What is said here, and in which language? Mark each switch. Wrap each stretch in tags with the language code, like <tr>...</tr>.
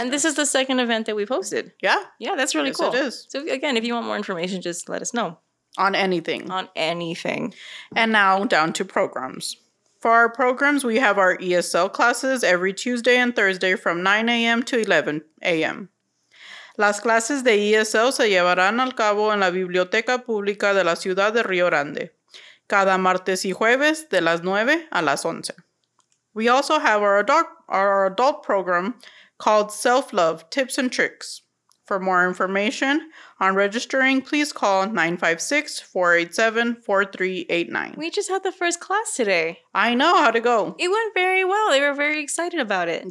<en>And this is the second event that we've hosted. Yeah. Yeah, that's really cool. It is. So again, if you want more information, just let us know. On anything. On anything. And now down to programs. For our programs, we have our ESL classes every Tuesday and Thursday from 9 a.m. to 11 a.m.</en> <es>Las clases de ESL se llevarán al cabo en la Biblioteca Pública de la Ciudad de Río Grande, cada martes y jueves de las 9 a las 11.</es> <en>We also have our adult program called Self-Love Tips and Tricks. For more information on registering, please call 956-487-4389. We just had the first class today. I know. How'd it go? It went very well. They were very excited about it.</en>